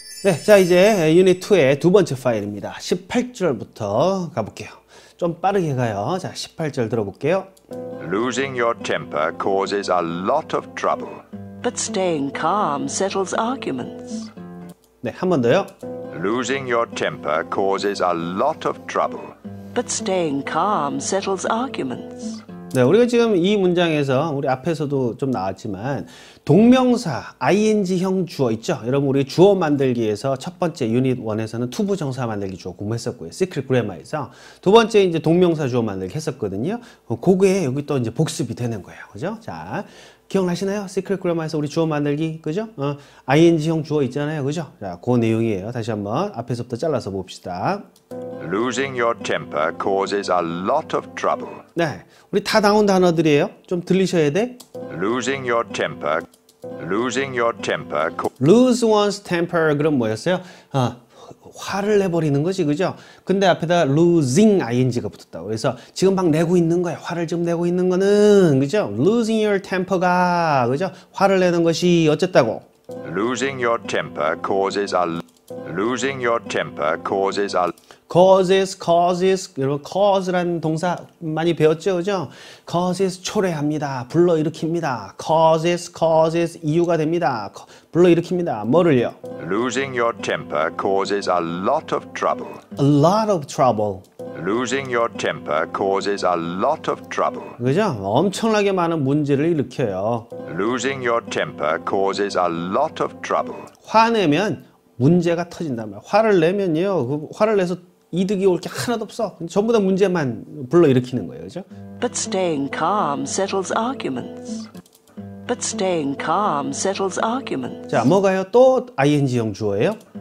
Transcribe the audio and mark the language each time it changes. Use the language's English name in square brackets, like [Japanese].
[Korean] 네, 자 이제 유닛 2의 두 번째 파일입니다. 18절부터 가볼게요. 좀 빠르게 가요. 자, 18절 들어볼게요. [English] Losing your temper causes a lot of trouble. But staying calm settles arguments. [Korean] 네, 한번 더요. [English] Losing your temper causes a lot of trouble. But staying calm settles arguments. [Korean] 네, 우리가 지금 이 문장에서 우리 앞에서도 좀 나왔지만 동명사 ing형 주어 있죠? 여러분 우리 주어 만들기에서 첫 번째 유닛 1에서는 투부 정사 만들기 주어 공부했었고요. 시크릿 그래마에서 두 번째 이제 동명사 주어 만들기 했었거든요. 그게 여기 또 이제 복습이 되는 거예요. 그죠? 자, 기억나시나요? 시크릿 그래마에서 우리 주어 만들기. 그죠? ing형 주어 있잖아요. 그죠? 자, 그 내용이에요. 다시 한번 앞에서부터 잘라서 봅시다. [English] Losing your temper causes a lot of trouble. [Korean] 네, 우리 다 나온 단어들이에요. 좀 들리셔야 돼. [English] Losing your temper, losing your temper. Lose one's temper [Korean] 그럼 뭐였어요? 화를 내버리는 거지, 그죠? 근데 앞에다 losing ing가 붙었다. 그래서 지금 막 내고 있는 거야. 화를 지금 내고 있는 거는, 그죠? [English] Losing your temper가, [Korean] 그죠? 화를 내는 것이 어쨌다고? [English] Losing your temper causes a losing your temper causes a [Korean] causes, causes, 여러분, cause라는 동사 많이 배웠죠, 그죠? causes 초래합니다. 불러일으킵니다. causes, causes 이유가 됩니다. 불러일으킵니다. 뭐를요? [English] Losing your temper causes a lot of trouble. A lot of trouble. Losing your temper causes a lot of trouble. [Korean] 그죠? 엄청나게 많은 문제를 일으켜요. [English] Losing your temper causes a lot of trouble. [Korean] 화내면 문제가 터진단 말이야. 화를 내면요. 그 화를 내서 이득이 올 게 하나도 없어. 전부 다 문제만 불러일으키는 거예요. 그죠? [English] But staying calm settles arguments. But staying calm settles arguments. [Korean] 자, 뭐가요? 또 ing형 주어예요?